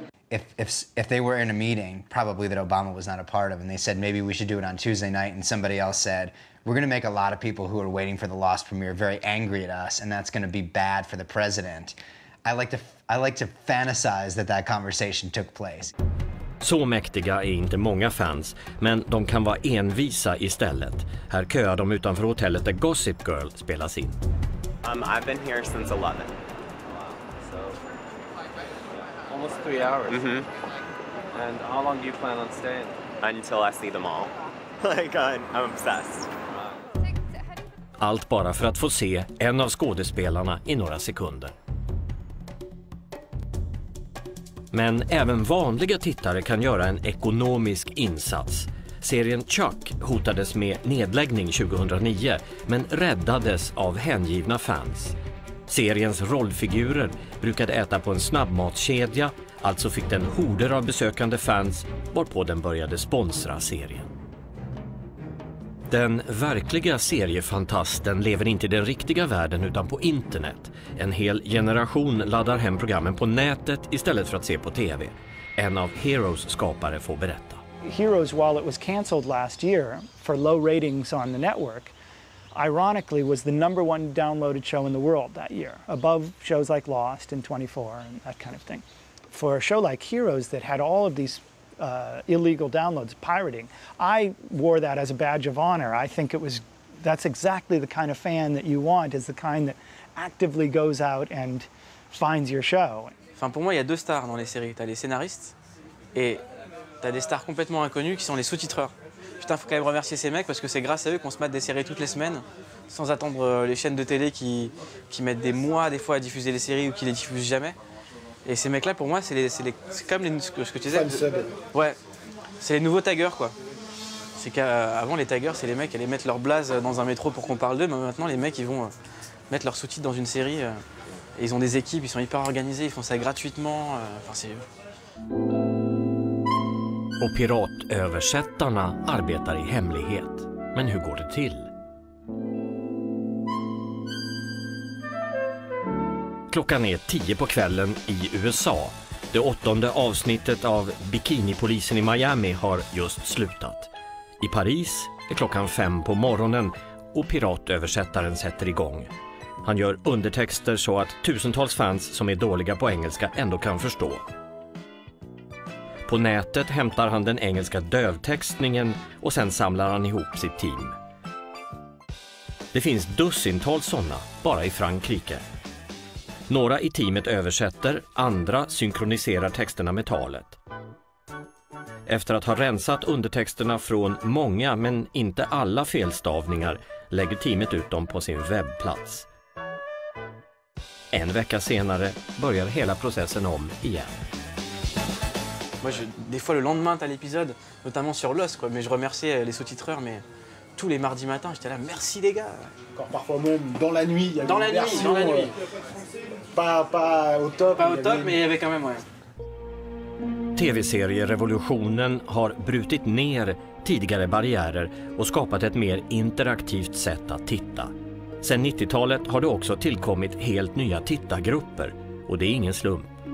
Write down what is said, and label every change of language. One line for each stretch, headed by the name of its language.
English: If they were in a meeting, probably that Obama was not a part of, and they said maybe we should do it on Tuesday night, and somebody else said, we're going to make a lot of people who are waiting for the Lost premiere very angry at us, and that's going to be bad for the president. I like to fantasize that that conversation took place.
Swedish: Så mäktiga är inte många fans, men de kan vara envisa istället. Här köar de utanför hotellet där Gossip Girl spelas in.
English: I've been here since 11. So almost 3 hours. Mm-hmm. And how long do you plan on staying? Until I see them all. Like, I'm obsessed.
Swedish: Allt bara för att få se en av skådespelarna i några sekunder. Men även vanliga tittare kan göra en ekonomisk insats. Serien Chuck hotades med nedläggning 2009, men räddades av hängivna fans. Seriens rollfigurer brukade äta på en snabbmatskedja, alltså fick den horder av besökande fans, varpå den började sponsra serien. Den verkliga seriefantasten lever inte i den riktiga världen utan på internet. En hel generation laddar hem programmen på nätet istället för att se på TV. En av Heroes skapare får berätta.
English: Heroes, while it was canceled last year for low ratings on the network, ironically was the number one downloaded show in the world that year, above shows like Lost and 24 and that kind of thing. For a show like Heroes that had all of these illegal downloads, pirating, I wore that as a badge of honor. I think it was, that's exactly the kind of fan that you want, is the kind that actively goes out and finds your show.
French: Enfin, pour moi, il y a deux stars dans les séries. T'as les scénaristes et t'as des stars complètement inconnues qui sont les sous-titreurs. Putain, faut quand même remercier ces mecs parce que c'est grâce à eux qu'on se mate des séries toutes les semaines sans attendre les chaînes de télé qui mettent des mois des fois à diffuser les séries ou qui les diffusent jamais. Et ces mecs-là, pour moi, c'est les nouveaux taggers, quoi. C'est qu'avant, les taggers, c'est les mecs qui allaient mettre leur blaze dans un métro pour qu'on parle d'eux, mais maintenant, les mecs, ils vont mettre leurs sous-titres dans une série. Et ils ont des équipes, ils sont hyper organisés, ils font ça gratuitement. Enfin, c'est...
Swedish: Och piratöversättarna arbetar i hemlighet. Men hur går det till? Klockan är 10 på kvällen i USA. Det 8:e avsnittet av Bikinipolisen i Miami har just slutat. I Paris är klockan 5 på morgonen och piratöversättaren sätter igång. Han gör undertexter så att tusentals fans som är dåliga på engelska ändå kan förstå. På nätet hämtar han den engelska dövtextningen och sen samlar han ihop sitt team. Det finns dussintals sådana, bara i Frankrike. Några i teamet översätter, andra synkroniserar texterna med talet. Efter att ha rensat undertexterna från många men inte alla felstavningar lägger teamet ut dem på sin webbplats. En vecka senare börjar hela processen om igen.
French: Moi, des fois, le lendemain, t'as l'épisode, notamment sur Lost, quoi. Mais je remerciais les sous-titreurs, mais tous les mardis matins, j'étais là, merci les gars. Quand parfois même dans la nuit, il y avait dans la nuit, dans la nuit. Pas au top. Pas au top, mais il y avait quand même, ouais.
Swedish: TV-serierevolutionen har brutit ner tidigare barriärer och skapat ett mer interaktivt sätt att titta. Sen 90-talet har det också tillkommit helt nya tittargrupper, och det är ingen slump.